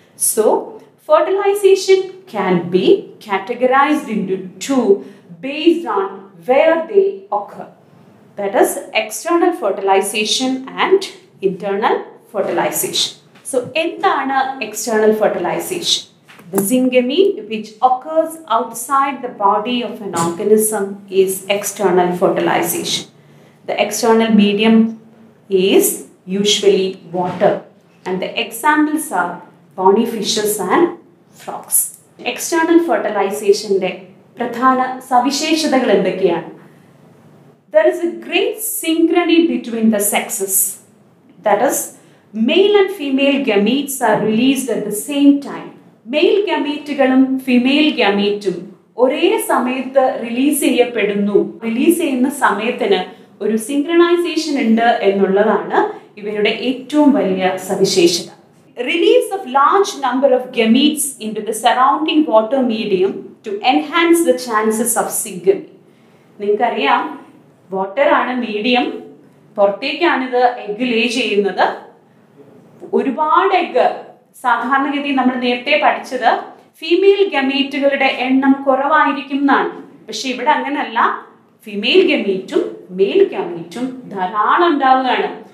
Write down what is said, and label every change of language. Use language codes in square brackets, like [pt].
[en] So fertilisation can be categorised into two based on where they occur, that is external fertilisation and internal fertilisation. [ml] So, എന്താണ് external fertilisation? [en] The zygamete which occurs outside the body of an organism is external fertilization. The external medium is usually water. And the examples are bony fishes and frogs. [ml] External fertilization-ന്റെ പ്രധാന സവിശേഷതകൾ എന്തൊക്കെയാണ്? [en] There is a great synchrony between the sexes. That is, male and female gametes are released at the same time. [ml] Male gametes-ഉകളും female gametes-ഉം ഒരേ സമയത്ത് release ചെയ്യപ്പെടുന്നു. Release ചെയ്യുന്ന സമയത്തിന് ഒരു synchronisation ഉണ്ട് എന്നുള്ളതാണ് ഇവരുടെ ഏറ്റവും വലിയ സവിശേഷത. [en] Release of large number of gametes into the surrounding water medium to enhance the chances of zygamy. [ml] നിങ്ങൾക്കറിയാം, വാട്ടറാണ് മീഡിയം, പുറത്തേക്കാണിത് എഗ്ഗ് ലേ ചെയ്യുന്നത്. ഒരുപാട് എഗ്ഗ്, സാധാരണഗതി നമ്മൾ നേരത്തെ പഠിച്ചത് ഫീമെയിൽ ഗമീറ്റുകളുടെ എണ്ണം കുറവായിരിക്കും എന്നാണ്. പക്ഷെ ഇവിടെ അങ്ങനെയല്ല, ഫീമെയിൽ ഗമീറ്റും മെയിൽ ഗമീറ്റും ധാരാളം ഉണ്ടാവുകയാണ്.